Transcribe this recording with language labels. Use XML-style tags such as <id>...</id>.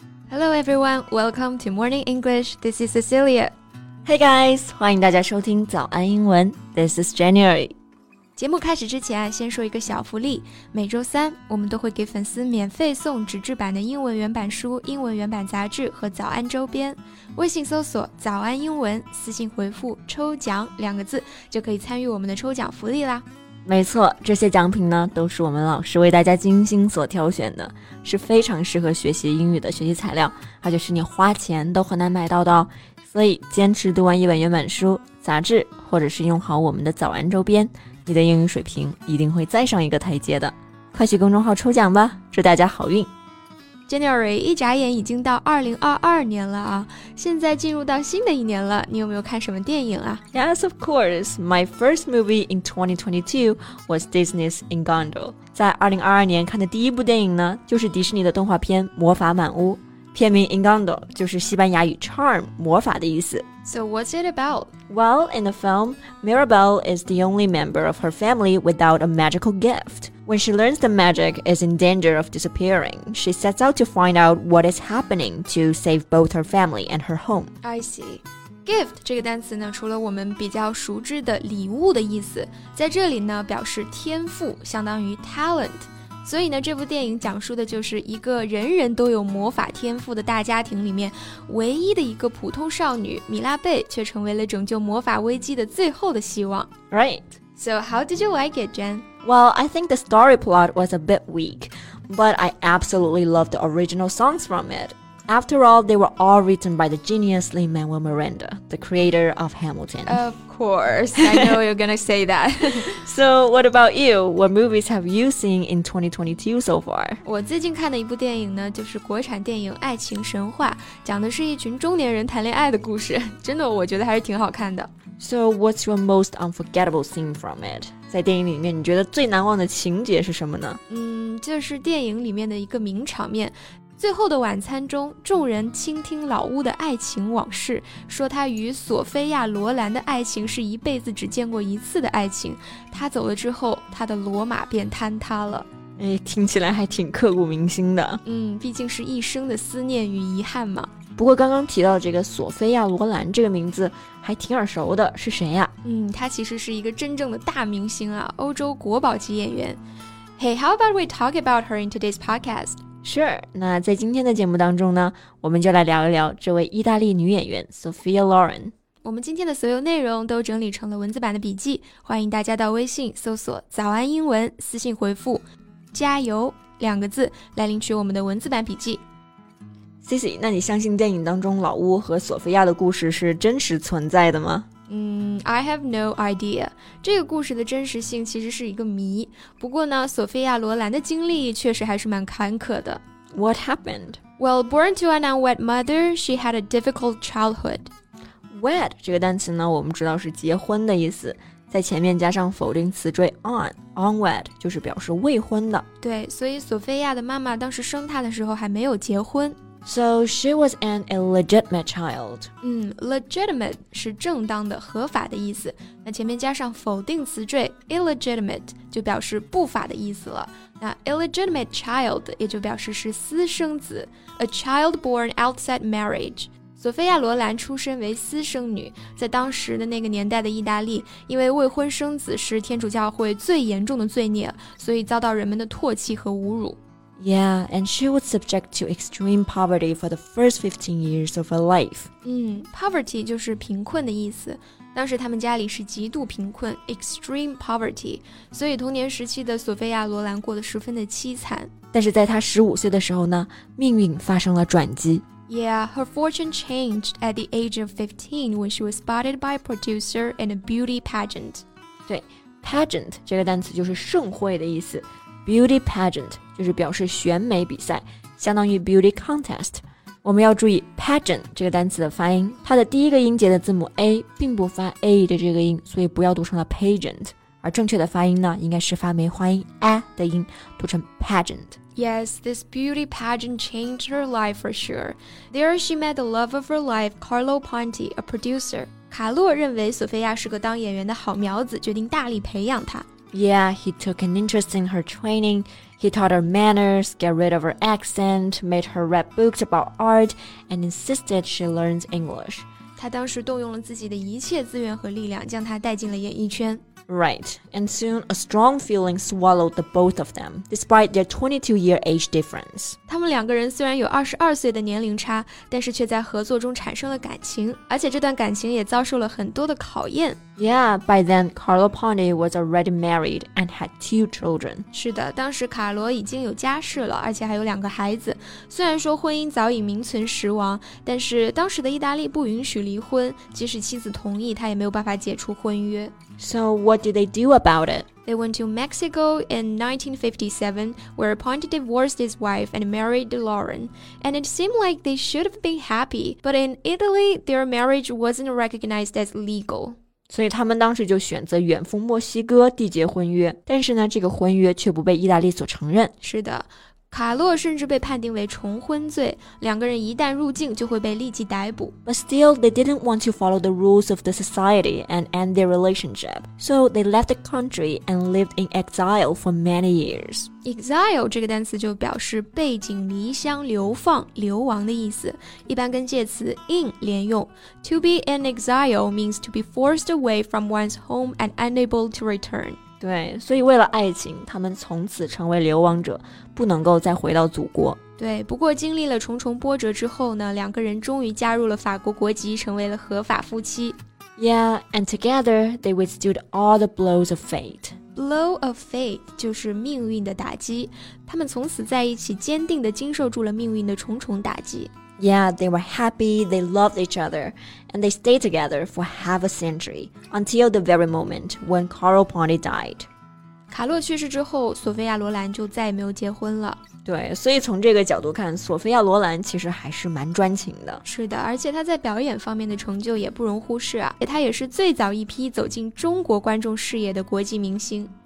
<en>Hello everyone, welcome to Morning English, this is Cecilia. Hey guys,</en> <zh>欢迎大家收听早安英文</zh> <en>this is January.</en> <zh>节目开始之前先说一个小福利，每周三我们都会给粉丝免费送纸质版的英文原版书、英文原版杂志和早安周边。微信搜索早安英文，私信回复抽奖两个字，就可以参与我们的抽奖福利啦。没错，这些奖品呢都是我们老师为大家精心所挑选的，是非常适合学习英语的学习材料，而且是你花钱都很难买到的哦。所以坚持读完一本原版书、杂志，或者是用好我们的早安周边，你的英语水平一定会再上一个台阶的。快去公众号抽奖吧，祝大家好运。 January 一眨眼已经到2022年了啊，现在进入到新的一年了，你有没有看什么电影啊？</zh> <en>Yes, of course. My first movie in 2022 was Disney's Encanto.</en> <zh>在2022年看的第一部电影呢，就是迪士尼的动画片《魔法满屋》。片名 Encanto 就是西班牙语 charm, 魔法的意思。</zh> <en>So what's it about? Well, in the film, Mirabel is the only member of her family without a magical gift. When she learns the magic is in danger of disappearing, she sets out to find out what is happening to save both her family and her home. I see.</en> <zh>Gift 这个单词呢，除了我们比较熟知的礼物的意思，在这里呢表示天赋，相当于 talent。所以呢，这部电影讲述的就是一个人人都有魔法天赋的大家庭里面，唯一的一个普通少女米拉贝却成为了拯救魔法危机的最后的希望。</zh> <en>Right. So how did you like it, Jen? Well, I think the story plot was a bit weak, but I absolutely loved the original songs from it. After all, they were all written by the genius Lin-Manuel Miranda, the creator of Hamilton. Of course, I know you're gonna say that. So, what about you? What movies have you seen in 2022 so far?</en> <zh>我最近看的一部电影呢，就是国产电影《爱情神话》，讲的是一群中年人谈恋爱的故事。真的，我觉得还是挺好看的。</zh> <en>So, what's your most unforgettable scene from it?</en> <zh>在电影里面，你觉得最难忘的情节是什么呢？嗯，就是电影里面的一个名场面。最后的晚餐中，众人倾听老巫的爱情往事，说他与索菲亚·罗兰的爱情是一辈子只见过一次的爱情。他走了之后，他的罗马便坍塌了。哎，听起来还挺刻骨铭心的。嗯，毕竟是一生的思念与遗憾嘛。不过刚刚提到这个索菲亚·罗兰这个名字还挺耳熟的，是谁呀？嗯，他其实是一个真正的大明星啊，欧洲国宝级演员。</zh> <en>Hey, how about we talk about her in today's podcast?</en> <zh>Sure, 那在今天的节目当中呢，我们就来聊一聊这位意大利女演员 Sophia Loren。我们今天的所有内容都整理成了文字版的笔记，欢迎大家到微信搜索早安英文，私信回复加油两个字来领取我们的文字版笔记。 Cici, 那你相信电影当中老巫和索菲亚的故事是真实存在的吗？</zh> <en>I have no idea.</en> <zh>这个故事的真实性其实是一个谜。不过呢，索菲亚·罗兰的经历确实还是蛮坎坷的。</zh> <en>What happened? Well, born to an unwed mother, she had a difficult childhood.</en> <zh>Wed 这个单词呢，我们知道是结婚的意思，在前面加上否定词缀 unwed 就是表示未婚的。对，所以索菲亚的妈妈当时生她的时候还没有结婚。</zh> <en>So she was an illegitimate child.</en> <zh>Legitimate 是正当的、合法的意思。那前面加上否定词缀 illegitimate 就表示不法的意思了。那 illegitimate child 也就表示是私生子 ，</zh> <en>a child born outside marriage。</en> <zh>索菲亚·罗兰出身为私生女，在当时的那个年代的意大利，因为未婚生子是天主教会最严重的罪孽，所以遭到人们的唾弃和侮辱。</zh> <en>Yeah, and she was subject to extreme poverty for the first 15 years of her life.</en> <zh>Poverty 就是贫困的意思。当时他们家里是极度贫困 ,</zh> <en>extreme poverty,</en> <zh>所以童年时期的索菲亚·罗兰过得十分的凄惨。但是在她15岁的时候呢，命运发生了转机。</zh> <en>Yeah, her fortune changed at the age of 15 when she was spotted by a producer and a beauty pageant.</en> <zh>对 ,pageant 这个单词就是盛会的意思。Beauty pageant 就是表示选美比赛，相当于 beauty contest。我们要注意 pageant 这个单词的发音，它的第一个音节的字母 a 并不发 a 的这个音，所以不要读成了 pageant。而正确的发音呢，应该是发梅花音 a 的音，读成 pageant。</zh> <en>Yes, this beauty pageant changed her life for sure. There she met the love of her life, Carlo Ponti, a producer.</en> <zh>卡洛认为索菲亚是个当演员的好苗子，决定大力培养她。</zh> <en>Yeah, he took an interest in her training. He taught her manners, got rid of her accent, made her read books about art, and insisted she learns English.</en> <zh>他当时动用了自己的一切资源和力量，将她带进了演艺圈。</zh> <en>Right, and soon a strong feeling swallowed the both of them, despite their 22-year age difference.</en> <zh>他们两个人虽然有22岁的年龄差，但是却在合作中产生了感情，而且这段感情也遭受了很多的考验。</zh> <en>Yeah, by then, Carlo Ponte was already married and had 2 children.</en> <zh>是的，当时卡罗已经有家室了，而且还有两个孩子。虽然说婚姻早已名存实亡，但是当时的意大利不允许离婚，即使妻子同意，他也没有办法解除婚约。</zh> <en>So what did they do about it? They went to Mexico in 1957, where Ponte divorced his wife and married Lauren. And it seemed like they should have been happy, but in Italy, their marriage wasn't recognized as legal.</en> <zh>所以他们当时就选择远赴墨西哥缔结婚约，但是呢，这个婚约却不被意大利所承认。是的，卡洛甚至被判定为重婚罪，两个人一旦入境就会被立即逮捕。</zh> <en>But still, they didn't want to follow the rules of the society and end their relationship. So they left the country and lived in exile for many years.</en> <zh>Exile 这个单词就表示背井离乡、流放、流亡的意思，一般跟介词 in 连用。</zh> <en>To be in exile means to be forced away from one's home and unable to return.</en> <zh>对，所以为了爱情，他们从此成为流亡者，不能够再回到祖国。对，不过经历了重重波折之后呢，两个人终于加入了法国国籍，成为了合法夫妻。</zh> <en>Yeah, and together they withstood all the blows of fate.</en> <zh>Blow of fate 就是命运的打击，他们从此在一起坚定地经受住了命运的重重打击。</zh> <en>Yeah, they were happy, they loved each other, and they stayed together for half a century, until the very moment when Carlo Ponte died.</en> <zh>卡洛去世之后，索菲亚·罗兰就再也没有结婚了。对，所以从这个角度看，索菲亚·罗兰其实还是蛮专情的。是的，而且她在表演方面的成就也不容忽视啊，她也是最早一批走进中国观众视野的国际明星。</zh>